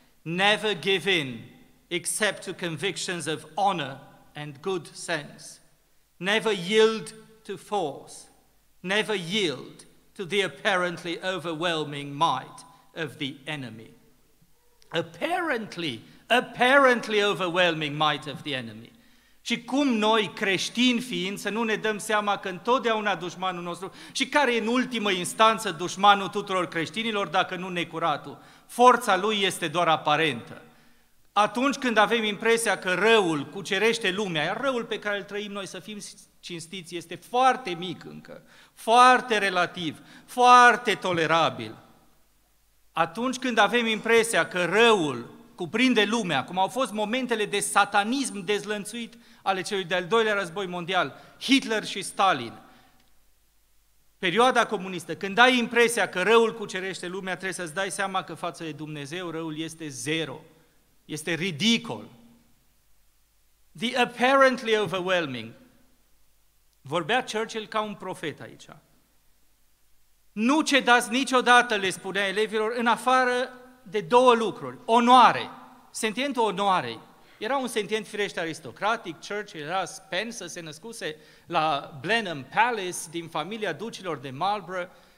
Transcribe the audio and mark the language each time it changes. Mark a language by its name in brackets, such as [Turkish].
[English] Never give in, except to convictions of honor and good sense. Never yield to force. Never yield to the apparently overwhelming might of the enemy. Apparently overwhelming might of the enemy. [Romanian] Și cum noi, creștini fiind, să nu ne dăm seama că întotdeauna dușmanul nostru, și care e în ultimă instanță dușmanul tuturor creștinilor, dacă nu necuratul, forța lui este doar aparentă. Atunci când avem impresia că răul cucerește lumea, iar răul pe care îl trăim noi, să fim cinstiți, este foarte mic încă, foarte relativ, foarte tolerabil. Atunci când avem impresia că răul cuprinde lumea, cum au fost momentele de satanism dezlănțuit ale celui de-al doilea război mondial, Hitler și Stalin, perioada comunistă, când ai impresia că răul cucerește lumea, trebuie să-ți dai seama că față de Dumnezeu răul este zero, este ridicol. [English] The apparently overwhelming. [Romanian] Vorbea Churchill ca un profet aici. Nu cedați niciodată, le spunea elevilor, în afară de două lucruri. Onoare. Sentientul onoarei. Era un sentient firește aristocratic. Churchill era Spencer, se născuse la Blenheim Palace, din familia ducilor de Marlborough.